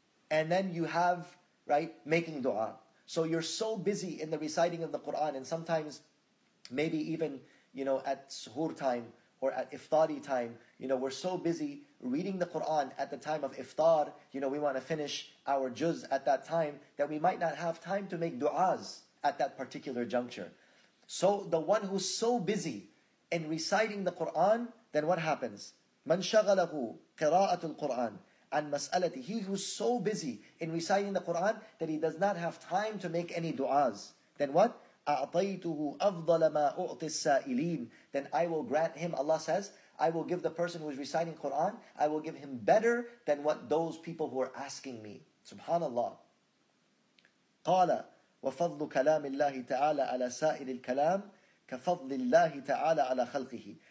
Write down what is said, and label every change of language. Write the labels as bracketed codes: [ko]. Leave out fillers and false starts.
[en] And then you have, right, making dua. So you're so busy in the reciting of the Quran, and sometimes maybe even, you know, at suhoor time or at iftari time, you know, we're so busy reading the Quran at the time of iftar, you know, we want to finish our juz at that time, that we might not have time to make du'as at that particular juncture. So the one who's so busy in reciting the Quran, then what happens? [ar] مَنْ شَغَلَهُ قِرَاءَةُ الْقُرْآنِ [en] and mas'alati, he who's so busy in reciting the Quran that he does not have time to make any du'as. Then what? [ar] أَعْطَيْتُهُ أَفْضَلَ مَا أُعْطِ السَّائِلِينَ. [en] Then I will grant him, Allah says, I will give the person who is reciting Quran, I will give him better than what those people who are asking me. [ar] Subhanallah. قَالَ وَفَضْلُ كَلَامِ اللَّهِ تَعَالَى عَلَى سَائِلِ الْكَلَامِ كَفَضْلِ اللَّهِ تَعَالَى عَلَى خَلْقِهِ.